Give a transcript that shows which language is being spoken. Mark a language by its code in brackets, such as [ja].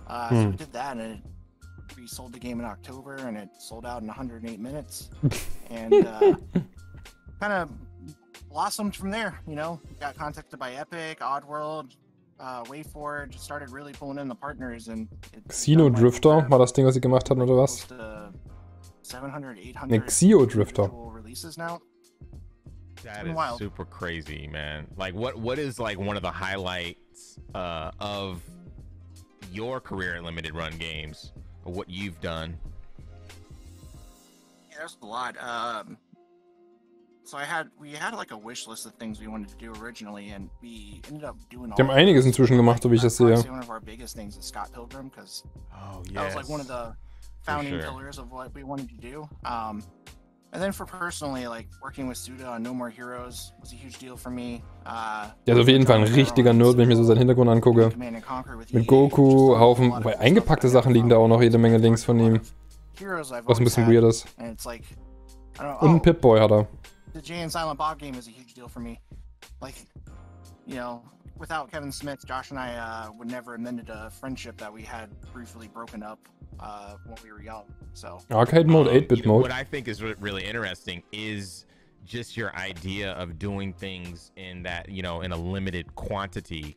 [en] So we did that, and we sold the game in October, and it sold out in 108 minutes and kind of blossomed from there. You know, got contacted by Epic, Oddworld, WayForge, started really pulling in the partners, and [de] Xeno Drifter war das Ding, was sie gemacht hatten, oder was? [en] 700, 800 Xeo Drifter releases now. That is wild. Super crazy, man. Like, what is like one of the highlights of your career at Limited Run Games, or what you've done? Yeah, there's a lot. So we had like a wish list of things we wanted to do originally, and we ended up doing all. [de] Die haben einiges inzwischen gemacht, so wie ich das sehe. [en] One of our biggest things is Scott Pilgrim, because that was like one of the founding pillars of what we wanted to do. And then for personally, like working with Suda on No More Heroes was a huge deal for me. [de] Ja, also auf jeden Fall ein richtiger Nerd, wenn ich mir so seinen Hintergrund angucke. Mit Goku, Haufen, weil eingepackte Sachen liegen da auch noch jede Menge links von ihm. Was ein bisschen weird ist. [en] And it's like, I don't know, [de] und ein Pip-Boy hat er. [en] The Jay and Silent Bob game is a huge deal for me. Like, you know, without Kevin Smith, Josh and I would never have mended a friendship that we had briefly broken up when we were young. So Arcade Mode, 8-bit mode. What I think is really interesting is just your idea of doing things in that, you know, in a limited quantity.